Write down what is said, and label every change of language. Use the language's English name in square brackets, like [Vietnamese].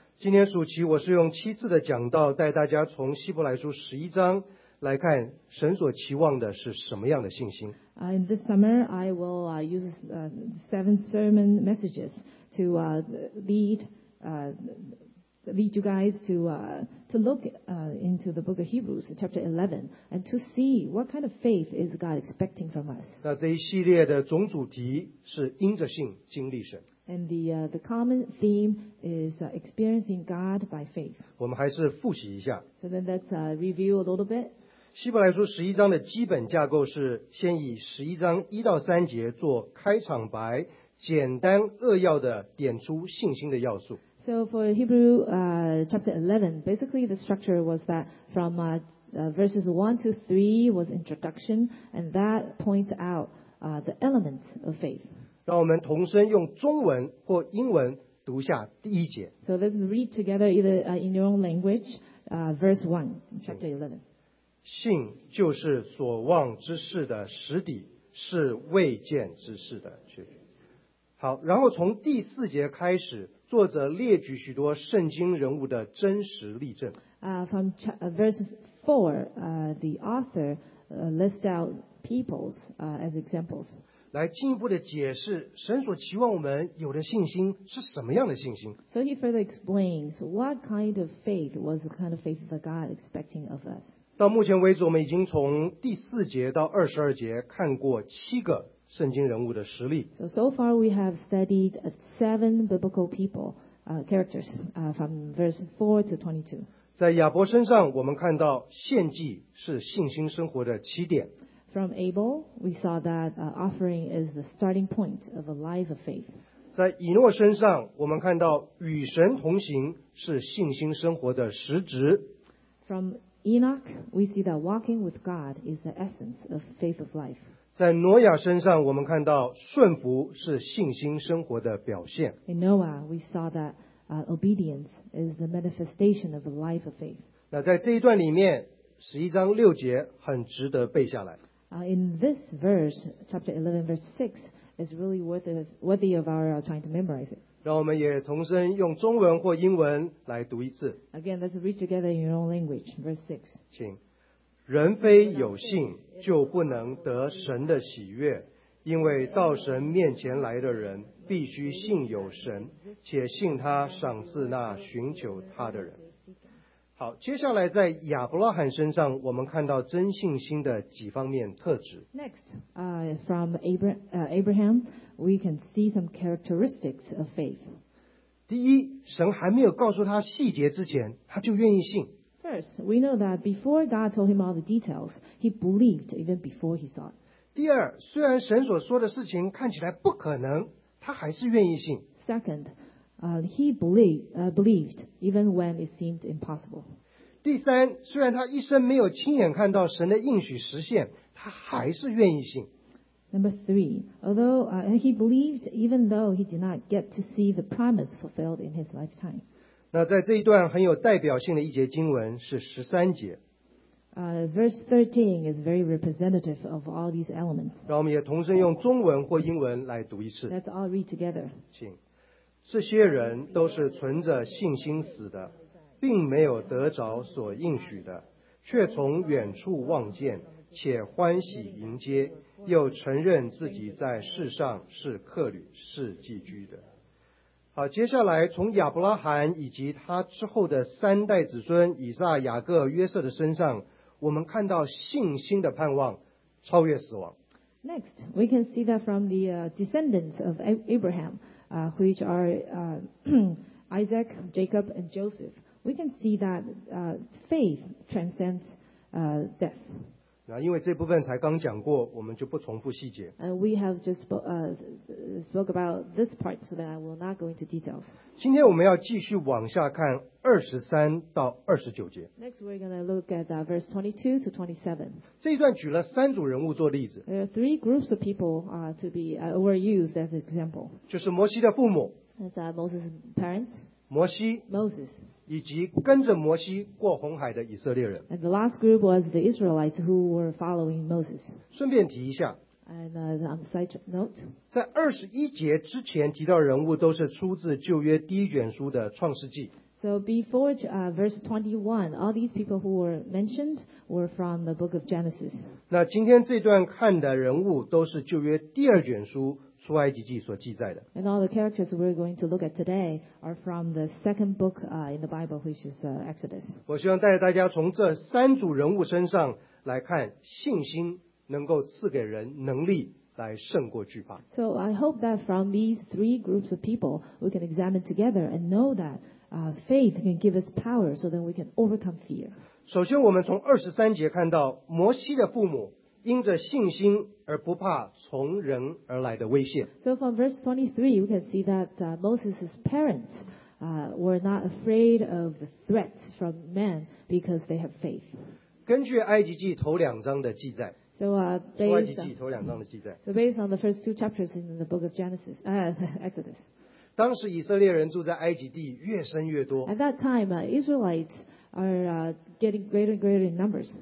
[Chinese] 今天暑期我是用七次的讲道带大家从希伯来书十一章来看神所期望的是什么样的信心。 [English] In this summer, I will use seven sermon messages to lead you guys to look into the book of Hebrews, chapter 11, and to see what kind of faith is God expecting from us. [Chinese] 那这一系列的总主题是因着信经历神。 [English] And the common theme is experiencing God by faith. [Chinese] 我们还是复习一下。 [English] So then let's review a little bit. [Chinese] 希伯来书十一章的基本架构是先以十一章一到三节做开场白，简单扼要的点出信心的要素。 [English] So for Hebrew chapter 11, basically the structure was that from verses 1 to 3 was introduction, and that points out the elements of faith. [Chinese] 让我们同声用中文或英文读下第一节。 [English] So let's read together either in your own language, verse 1, chapter 11. [Chinese] 信就是所望之事的实底，是未见之事的确据。好，然后从第四节开始，作者列举许多圣经人物的真实例证。 [English] From verse 4, the author lists out peoples as examples. [Chinese] 来进一步的解释神所期望我们有的信心是什么样的信心。 [English] So he further explains what kind of faith was the kind of faith that God expecting of us. [Chinese] 到目前为止我们已经从第四节到二十二节看过七个圣经人物的实例。 [English] So far we have studied seven biblical people, characters, from verse 4 to 22. [Chinese] 在亚伯身上我们看到献祭是信心生活的起点。 [English] From Abel, we saw that offering is the starting point of a life of faith. [Chinese] 在以诺身上我们看到与神同行是信心生活的实质。 [English] From Enoch, we see that walking with God is the essence of faith of life. [Chinese] 在挪亚身上，我们看到顺服是信心生活的表现。 [English] In Noah, we saw that obedience is the manifestation of a life of faith. [Chinese] 那在这一段里面，十一章六节很值得背下来。 [English] In this verse, chapter 11, verse 6, is really worthy of our trying to memorize it. [Chinese] 让我们也同声用中文或英文来读一次。 [English] Again, let's read together in your own language, verse 6. [Chinese] 请。人非有信，就不能得神的喜悦，因为到神面前来的人，必须信有神，且信他赏赐那寻求他的人。好，接下来在亚伯拉罕身上，我们看到真信心的几方面特质。 [English] Next, from Abraham, we can see some characteristics of faith. [Chinese] 第一，神还没有告诉他细节之前，他就愿意信。 [English] First, we know that before God told him all the details, he believed even before he saw it. [Chinese] 第二，虽然神所说的事情看起来不可能，他还是愿意信。 [English] Second,he believed even when it seemed impossible. [Chinese] 第三，虽然他一生没有亲眼看到神的应许实现，他还是愿意信。 [English] Number three, although he believed even though he did not get to see the promise fulfilled in his lifetime. [Chinese] 那在这一段很有代表性的一节经文是十三节。 [English] Verse 13 is very representative of all these elements. [Chinese] 让我们也同声用中文或英文来读一次。 [English] Let's all read together. [Chinese] 请。这些人都是存着信心死的，并没有得着所应许的，却从远处望见，且欢喜迎接，又承认自己在世上是客旅，是寄居的。好，接下来从亚伯拉罕以及他之后的三代子孙以撒、雅各、约瑟的身上，我们看到信心的盼望超越死亡。 [English] Next, we can see that from the descendants of Abraham. Which are Isaac, Jacob, and Joseph. We can see that faith transcends death. [Chinese] 因为这部分才刚讲过，我们就不重复细节。 [English] And we have just spoke about this part, so that I will not go into details. [Chinese] 今天我们要继续往下看二十三到二十九节。 [English] Next, we're going to look at verse 22 to 27. [Chinese] 这一段举了三组人物做例子。 [English] There are three groups of people to be were used as example. [Chinese] 就是摩西的父母。 [English] That's Moses' parents. [Chinese] 摩西 [English] Moses, [Chinese] 以及跟着摩西过红海的以色列人。 [English] And the last group was the Israelites who were following Moses. [Chinese] 顺便提一下。 [English] And on the side note, [Chinese] 在二十一节之前提到人物都是出自旧约第一卷书的创世纪。 [English] So before verse 21, all these people who were mentioned were from the book of Genesis. [Chinese] 那今天这段看的人物都是旧约第二卷书出埃及记所记载的。 [English] And all the characters we're going to look at today are from the second book in the Bible, which is Exodus. [Chinese] 我希望带着大家从这三组人物身上来看信心。能够赐给人能力来胜过惧怕。 [English] So I hope that from these three groups of people, we can examine together and know that faith can give us power, so that we can overcome fear. [Chinese] 首先，我们从二十三节看到摩西的父母因着信心而不怕从人而来的危险。 [English] So from verse 23, we can see that Moses' parents were not afraid of the threats from men because they have faith. [Chinese] 根据埃及记头两章的记载。 [English] So based on the first two chapters in the book of Genesis, Exodus. [Chinese] 当时以色列人住在埃及地越生越多。 [English] At that time, Israelites are getting greater and greater in numbers.